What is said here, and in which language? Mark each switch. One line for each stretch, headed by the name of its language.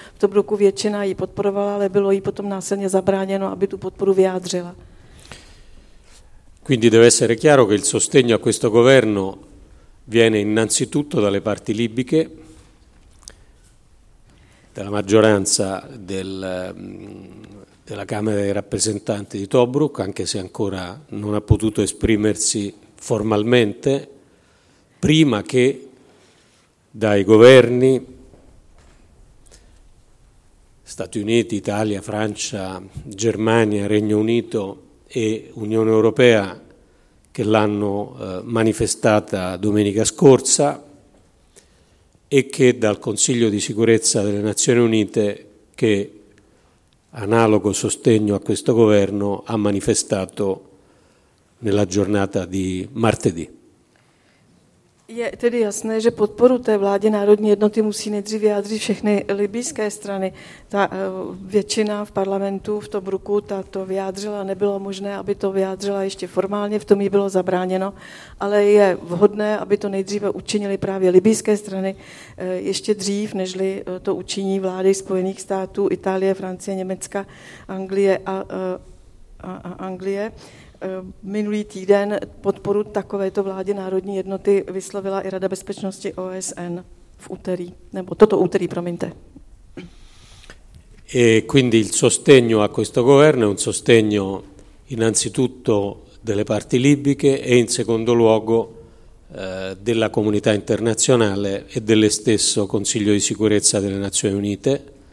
Czech: V Tobruku většina ji podporovala, ale bylo jí potom následně zabráněno, aby tu podporu vyjádřila.
Italian: Quindi deve essere chiaro che il sostegno a questo governo viene innanzitutto dalle parti libiche, dalla maggioranza della Camera dei rappresentanti di Tobruk, anche se ancora non ha potuto esprimersi formalmente, prima che dai governi Stati Uniti, Italia, Francia, Germania, Regno Unito e Unione Europea che l'hanno manifestata domenica scorsa e che dal Consiglio di sicurezza delle Nazioni Unite che analogo sostegno a questo governo ha manifestato nella giornata di martedì.
Czech: Je tedy jasné, že podporu té vládě národní jednoty musí nejdřív vyjádřit všechny libijské strany. Ta většina v parlamentu v Tobruku ta to vyjádřila, nebylo možné, aby to vyjádřila ještě formálně, v tom jí bylo zabráněno, ale je vhodné, aby to nejdříve učinili právě libijské strany ještě dřív, nežli to učiní vlády Spojených států, Itálie, Francie, Německa, Anglie a Anglie. Minulý týden podporu takovéto vládě národní jednoty vyslovila i Rada bezpečnosti OSN v úterý, nebo toto úterý, promiňte.
Italian: E quindi il sostegno a questo governo è un sostegno innanzitutto delle parti libiche e in secondo luogo della comunità internazionale e dello stesso Consiglio di sicurezza delle Nazioni Unite.